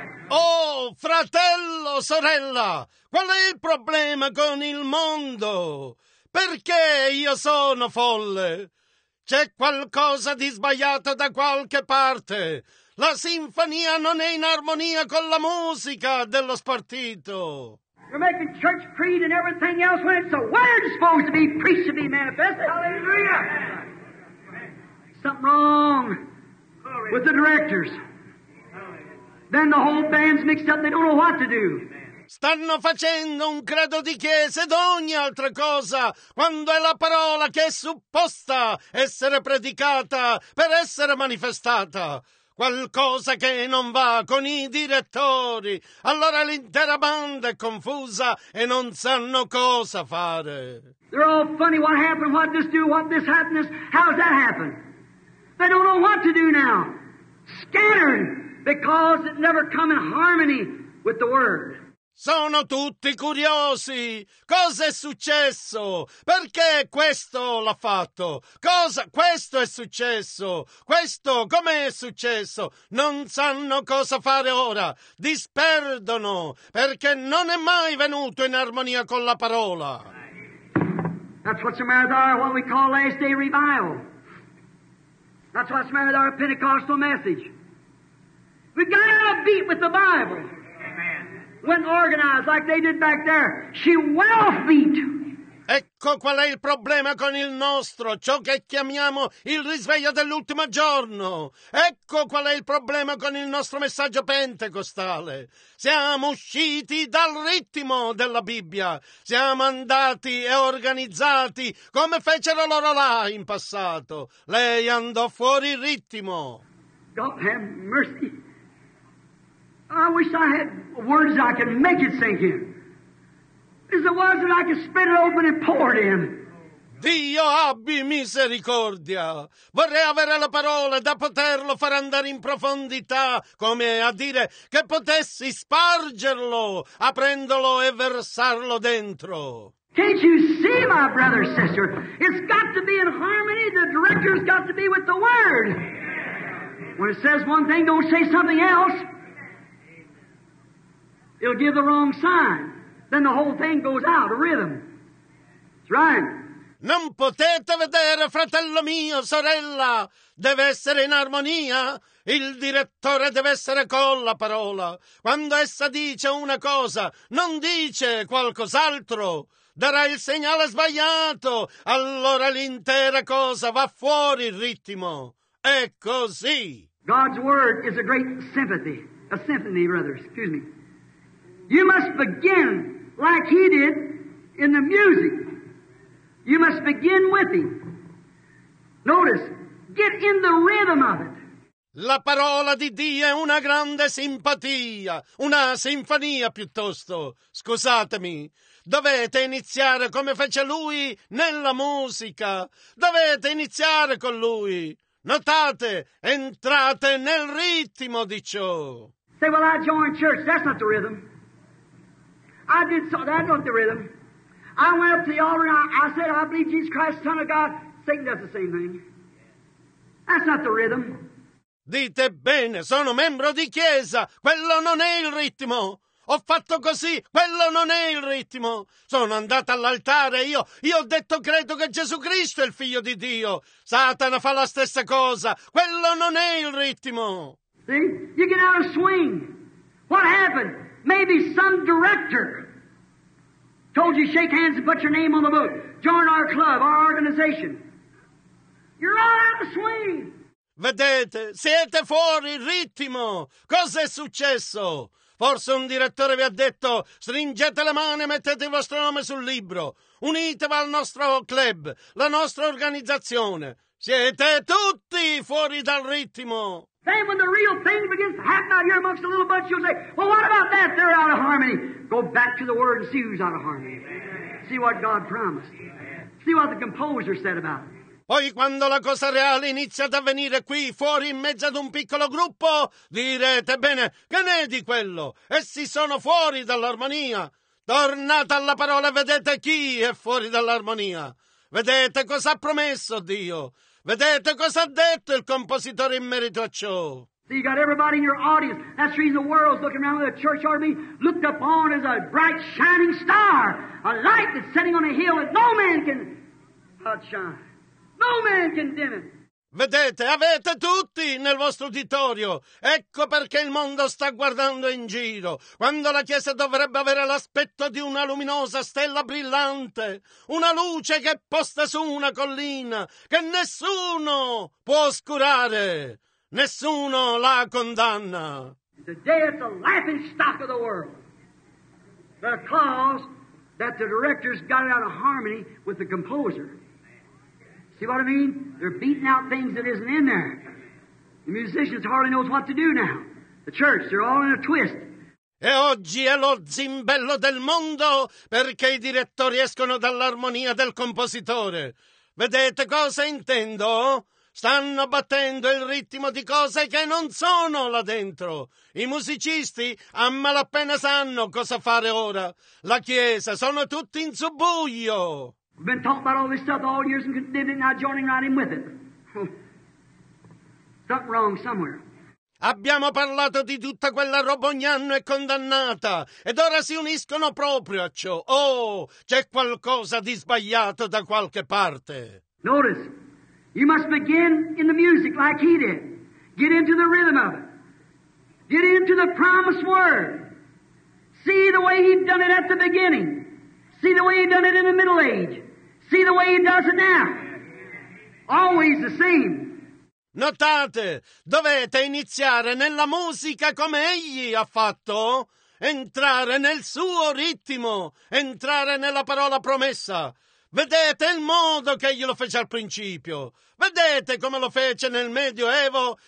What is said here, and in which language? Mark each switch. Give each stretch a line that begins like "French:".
Italian: Oh, fratello, sorella, qual è il problema con il mondo? Perché io sono folle? C'è qualcosa di sbagliato da qualche parte. La sinfonia non è in armonia con la musica dello spartito.
English: You're making church creed and everything else when it's the word supposed to be preached to be manifested. Hallelujah. Something wrong with the directors. Then the whole band's mixed up and they don't know what to do.
Italian: Stanno facendo un credo di chiesa ed ogni altra cosa quando è la parola che è supposta essere predicata per essere manifestata. Qualcosa che non va con i direttori. Allora l'intera banda è confusa e non sanno cosa fare.
English: They're all funny. What happened? What this do? What this happened? How's that happen? They don't know what to do now. Scattered because it never come in harmony with the word.
Italian: Sono tutti curiosi. Cosa è successo? Perché questo l'ha fatto? Cosa? Questo è successo? Questo com'è successo? Non sanno cosa fare ora. Disperdono perché non è mai venuto in armonia con la parola.
English: That's what's the matter with our what we call last day revival. That's what's the matter with our Pentecostal message. We got out of beat with the Bible. When organized like they did back there, she well beat.
Italian: Ecco qual è il problema con il nostro, ciò che chiamiamo il risveglio dell'ultimo giorno. Ecco qual è il problema con il nostro messaggio pentecostale. Siamo usciti dal ritmo della Bibbia. Siamo andati e organizzati come fecero loro là in passato. Lei andò fuori ritmo.
English: God have mercy. I wish I had words I could make it sink in. Is the words that I could spit it open and pour it in.
Italian: Dio abbi misericordia. Vorrei avere le parole da poterlo far andare in profondità, come a dire che potessi spargerlo, aprendolo e versarlo dentro.
English: Can't you see, my brother, sister? It's got to be in harmony. The director's got to be with the word. When it says one thing, don't say something else. It'll give the wrong sign. Then the whole thing goes out of rhythm. That's right.
Italian: Non potete vedere, fratello mio, sorella. Deve essere in armonia. Il direttore deve essere con la parola. Quando essa dice una cosa, non dice qualcos'altro. Darà il segnale sbagliato. Allora l'intera cosa va fuori il ritmo. è così.
English: God's word is a great sympathy. A symphony, rather. Excuse me. You must begin like he did in the music. You must begin with him. Notice, get in the rhythm of it.
Italian: La parola di Dio è una grande simpatia, una sinfonia piuttosto. Scusatemi. Dovete iniziare come fece lui nella musica. Dovete iniziare con lui. Notate, entrate nel ritmo di ciò.
English: Say, well, I joined church. That's not the rhythm. I did so. That's not the rhythm. I went up to the altar and I said, I believe Jesus Christ, Son of God. Satan does the same thing. That's not the rhythm.
Italian: Dite bene, sono membro di chiesa. Quello non è il ritmo. Ho fatto così, quello non è il ritmo. Sono andato all'altare, io ho detto credo che Gesù Cristo è il figlio di Dio. Satana fa la stessa cosa, quello non è il ritmo.
English: See? You get out of swing. What happened? Maybe some director told you shake hands and put your name on the book. Join our club, our organization. You're all out of swing.
Italian: Vedete, siete fuori ritmo. Cos'è successo? Forse un direttore vi ha detto, stringete le mani e mettete il vostro nome sul libro. Unitevi al nostro club, la nostra organizzazione. Siete tutti fuori dal ritmo.
English: Then when the real thing begins to happen out here amongst a little bunch, you'll say, well, what about that? They're out of harmony. Go back to the word and see who's out of harmony. See what God promised. See what the composer said about it.
Italian: Poi quando la cosa reale inizia ad avvenire qui, fuori, in mezzo ad un piccolo gruppo, direte, bene, che ne è di quello? Essi sono fuori dall'armonia. Tornate alla parola e vedete chi è fuori dall'armonia. Vedete cosa ha promesso Dio. Vedete cosa ha detto il compositore in merito a ciò.
English: See, you got everybody in your audience. That's the reason the world's looking around with a church army looked upon as a bright shining star. A light that's setting on a hill that no man can outshine. No man can dim it.
Italian: Vedete, avete tutti nel vostro uditorio. Ecco perché il mondo sta guardando in giro. Quando la Chiesa dovrebbe avere l'aspetto di una luminosa stella brillante, una luce che è posta su una collina, che nessuno può oscurare, nessuno la condanna.
English: Today it's the laughing stock of the world. Because that the director's got out of harmony with the composer. See what I mean? They're beating out things that isn't in there. The musicians hardly knows what to do now. The church, they're all in a twist.
Italian: E oggi è lo zimbello del mondo perché i direttori escono dall'armonia del compositore. Vedete cosa intendo? Stanno battendo il ritmo di cose che non sono là dentro. I musicisti a malapena sanno cosa fare ora. La chiesa, sono tutti in subbuglio.
English: We've been talking about all this stuff all years and condemning it, not joining right in with it. Something wrong somewhere.
Italian: Abbiamo parlato di tutta quella roba ogni anno e condannata, ed ora si uniscono proprio a ciò. Oh, c'è qualcosa di sbagliato da qualche parte.
English: Notice, you must begin in the music like he did. Get into the rhythm of it. Get into the promised word. See the way he'd done it at the beginning. See the way he done it in the middle age. See the way he does it now. Always the same.
Italian: Notate, dovete iniziare nella musica come egli ha fatto. Entrare nel suo ritmo. Entrare nella parola promessa. Vedete il modo che egli lo fece al principio. Vedete come lo fece nel Medioevo.